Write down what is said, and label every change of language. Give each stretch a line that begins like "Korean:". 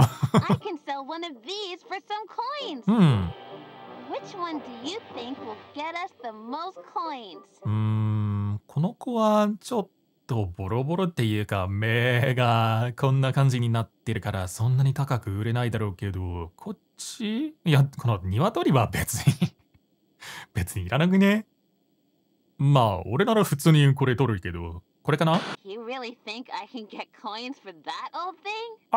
English: I can sell one of these for some coins. Which one do you think will get us the most coins?
Japanese: この子はちょっとボロボロっていうか、目がこんな感じになってるからそんなに高く売れないだろうけど、こっち？いや、この鶏は別にいらなくね。まあ、俺なら普通にこれ取るけど、これかな？
English: You really think I can get coins for that old thing?